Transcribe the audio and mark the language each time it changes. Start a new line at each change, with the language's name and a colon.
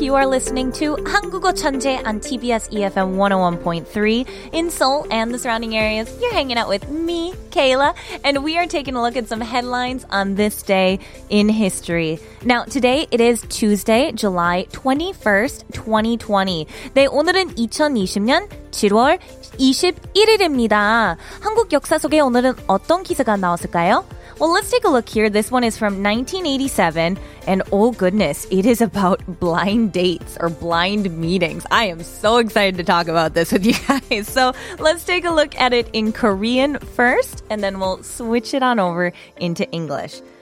English: You are listening to
Korean: 한국어 천재
English: on TBS EFM 101.3 in Seoul and the surrounding areas. You're hanging out with me, Kayla, and we are taking a look at some headlines on this day in history. Now, today it is Tuesday, July 21st, 2020.
Korean: 네, 오늘은 2020년 7월 21일입니다. 한국 역사 속에 오늘은 어떤 기사가 나왔을까요?
English: Well, let's take a look here. This one is from 1987, and oh goodness, it is about blind dates or blind meetings. I am so excited to talk about this with you guys. So let's take a look at it in Korean first, and then we'll switch it on over into English.